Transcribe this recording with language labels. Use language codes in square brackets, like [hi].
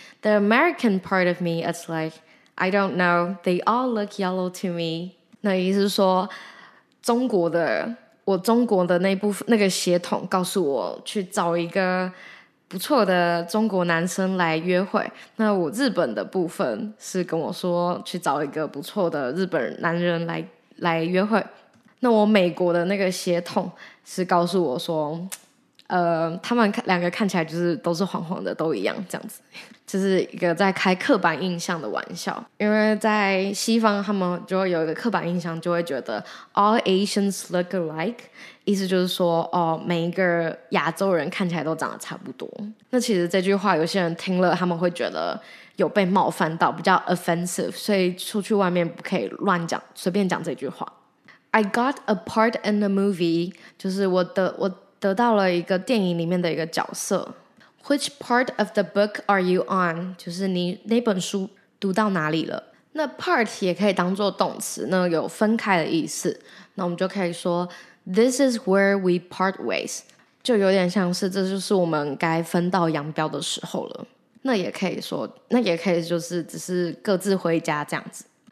[en] The American part of me is like I don't know, they all look yellow to me. [zh] 那意思是说，中国的我中国的那部分那个血统告诉我去找一个不错的中国男生来约会，那我日本的部分是跟我说去找一个不错的日本男人来约会，那我美国的那个血统是告诉我说，他们两个看起来就是都是黄黄的，都一样这样子，就是一个在开刻板印象的玩笑。因为在西方，他们就会有一个刻板印象，就会觉得 [en] all Asians look alike， [zh] 意思就是说，哦，每一个亚洲人看起来都长得差不多。那其实这句话，有些人听了他们会觉得有被冒犯到，比较 offensive， 所以出去外面不可以乱讲，随便讲这句话。 [en] I got a part in a movie， [zh] 就是我得到了一个电影里面的一个角色。 [en] Which part of the book are you on? [zh] 就是你那本书读到哪里了？那 part 也可以当作动词，那有分开的意思。那我们就可以说 [en] This is where we part ways， [zh] 就有点像是这就是我们该分道扬镳的时候了。那也可以说，那也可以就是只是各自回家这样子。